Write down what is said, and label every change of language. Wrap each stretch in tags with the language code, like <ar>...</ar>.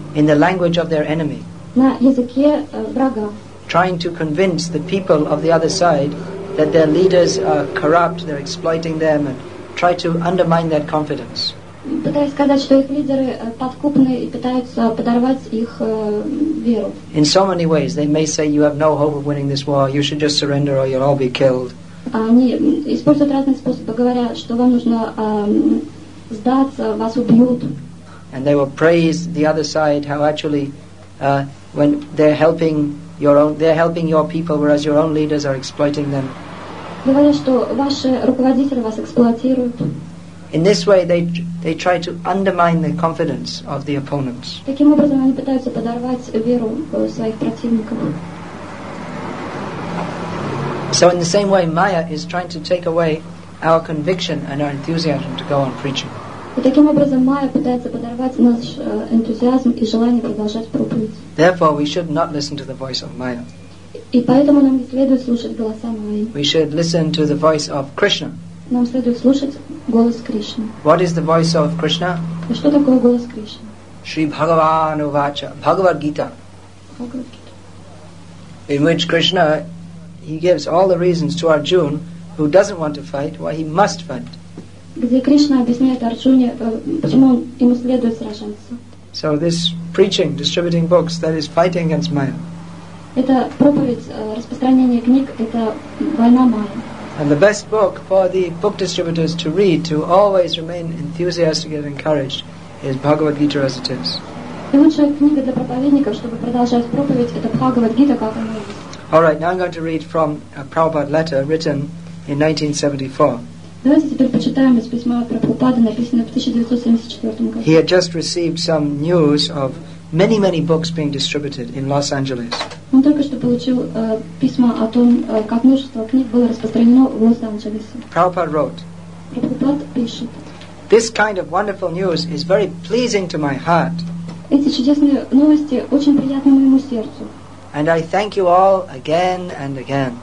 <en>In the language of their enemy.</en> <ru>На языке врага.</ru> <en>Trying to convince the people of the other side that their leaders are corrupt, they're exploiting them, and try to undermine that confidence.</en> <ru>Пытаясь сказать, что их лидеры подкупны и пытаются подорвать их веру.</ru> <en>In so many ways, they may say, you have no hope of winning this war, you should just surrender or you'll all be killed.</en> <ru>Они используют разные способы, говоря, что вам нужно сдаться, вас убьют.</ru> <en>And they will praise the other side, how actually, when they're helping your own, they're helping your people, whereas your own leaders are exploiting them.</en> <ru>Говорят, что ваши руководители вас эксплуатируют.</ru> <en>In this way, they try to undermine the confidence of the opponents.</en> <ru>Таким образом, они пытаются подорвать веру своих противников.</ru> <en>So in the same way, Maya is trying to take away our conviction and our enthusiasm to go on preaching.</en> <ru>И таким образом, Майя пытается подорвать наш энтузиазм и желание продолжать проповедь.</ru> <en>Therefore, we should not listen to the voice of Maya.</en> <ru>И поэтому нам не следует слушать голоса Майи.</ru> <en>We should listen to the voice of Krishna.</en> <ru>Нам следует слушать голос Кришны.</ru> <en>What is the voice of Krishna?</en> <ru>И что такое голос Кришны?</ru> <sa>Шри Бхагаван Увача, Бхагавад-гита.</sa> <en>In which Krishna, he gives all the reasons to Arjuna, who doesn't want to fight, why he must fight.</en> <ru>Где Кришна объясняет Арджуне, почему ему следует сражаться.</ru> <en>So this preaching, distributing books, that is fighting against Maya.</en> <ru>Это проповедь, распространение книг, это война Майя.</ru> <en>And the best book for the book distributors to read, to always remain enthusiastic and encouraged, is Bhagavad Gita as it is.</en> <ru>И лучшая книга для проповедников, чтобы продолжать проповедь, это Бхагавад Гита, как она есть.</ru> <en>All right, now I'm going to read from a Prabhupada letter written in 1974.</en> <ru>Давайте теперь почитаем из письма Прабхупады, написанного в 1974 году.</ru> <en>He had just received some news of many, many books being distributed in Los Angeles.</en> <ru>Он только что получил письма о том, как множество книг было распространено в Лос-Анджелесе.</ru> <en>Prabhupada wrote.</en> <ru>Прабхупад пишет.</ru> <en>This kind of wonderful news is very pleasing to my heart.</en> <ru>Эти чудесные новости очень приятны моему сердцу.</ru> <en>And I thank you all again and again.</en>